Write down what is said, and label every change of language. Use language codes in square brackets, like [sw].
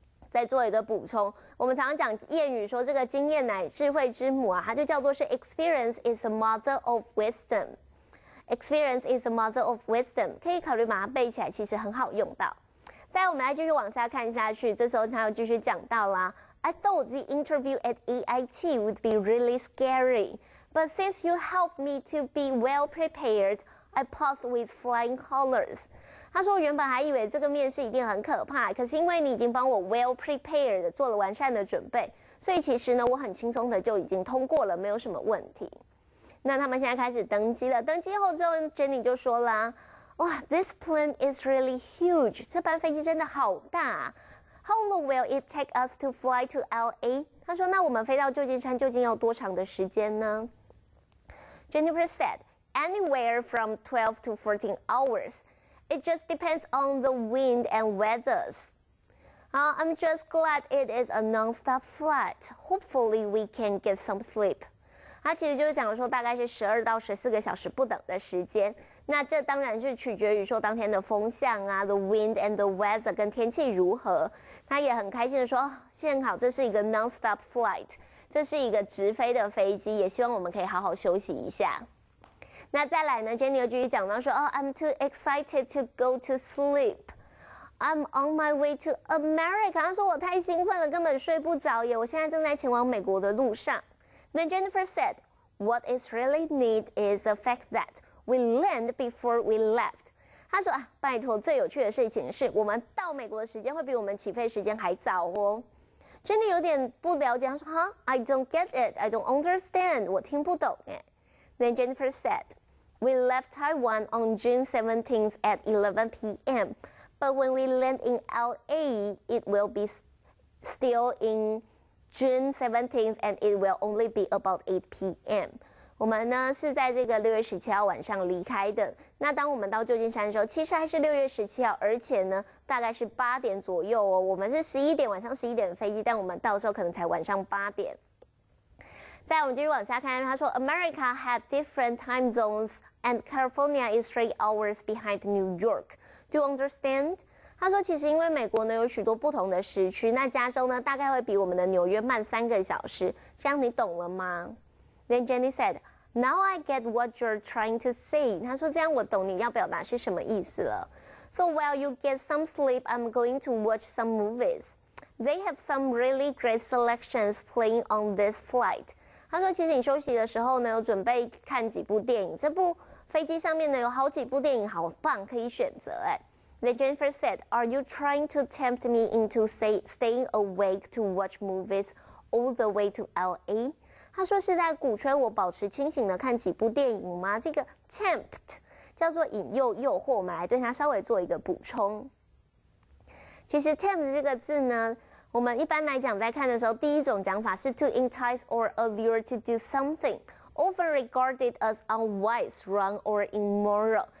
[zh] 再做一个补充，我们常常讲谚语说这个经验乃智慧之母啊，它就叫做是 [en] experience is the mother of wisdom. Experience is the mother of wisdom. [zh] 可以考虑把它背起来，其实很好用到。再来我们来继续往下看下去，这时候他又继续讲到啦。 [en] I thought the interview at EIT would be really scary, but since you helped me to be well prepared, I passed with flying colors. [zh] 他说原本还以为这个面试一定很可怕，可是因为你已经帮我 [en] well prepared, [zh] 做了完善的准备，所以其实呢我很轻松的就已经通过了，没有什么问题。那他们现在开始登机了，登机后之后 Jenny 就说啦，哇 [en] this plane is really huge, [zh] 这班飞机真的好大啊。 [en] How long will it take us to fly to LA? [zh] 他说那我们飞到旧金山究竟要多长的时间呢？ [en] Jennifer said, anywhere from 12 to 14 hours. It just depends on the wind and weathers. I'm just glad it is a non-stop flight. Hopefully we can get some sleep. [zh] 他其实就是讲说大概是12到14个小时不等的时间。那这当然是取决于说当天的风向啊 ， [en] the wind and the weather [zh] 跟天气如何。他也很开心的说，幸好这是一个 non-stop flight， 这是一个直飞的飞机，也希望我们可以好好休息一下。那再来呢 ，Jenny 又继续讲到说，哦 [en] ，I'm too excited to go to sleep， I'm on my way to America。 [zh] 他说我太兴奋了，根本睡不着耶，我现在正在前往美国的路上。 [en] 那 Jennifer said， what is really neat is the fact that。 We land before we left. [zh] 他说、啊、拜托，最有趣的事情是我们到美国的时间会比我们起飞时间还早哦。 [en] Jenny [zh] 有点不了解，他说哈、 [en] huh? ，I don't get it, I don't understand. [zh] 我听不懂哎。 [en] Then Jennifer said, "We left Taiwan on June 17th at 11 p.m. But when we land in LA, it will be still in June 17th, and it will only be about 8 p.m." [zh] 我们呢是在这个6月17号晚上离开的，那当我们到旧金山的时候其实还是6月17号，而且呢大概是8点左右哦，我们是11点晚上11点飞机，但我们到的时候可能才晚上8点。再来我们继续往下看，他说 [en] America had different time zones and California is 3 hours behind New York. Do you understand? [zh] 他说其实因为美国呢有许多不同的时区，那加州呢大概会比我们的纽约慢3个小时，这样你懂了吗？ [en] Then Jenny said, now I get what you're trying to say. [zh] 她说这样我懂你要表达是什么意思了。 [en] So while you get some sleep, I'm going to watch some movies. They have some really great selections playing on this flight. [zh] 她说其实你休息的时候呢有准备看几部电影，这部飞机上面呢有好几部电影好棒可以选择耶。 [en] Then Jennifer said, are you trying to tempt me into staying awake to watch movies all the way to LA? [zh] 他说是在鼓吹我保持清醒的看几部电影吗？这个 tempt 叫做引诱、诱惑，我们来对他稍微做一个补充。其实 tempt 这个字呢，我们一般来讲在看的时候，第一种讲法是 [en] to entice or allure to do something, often regarded as unwise, wrong or immoral。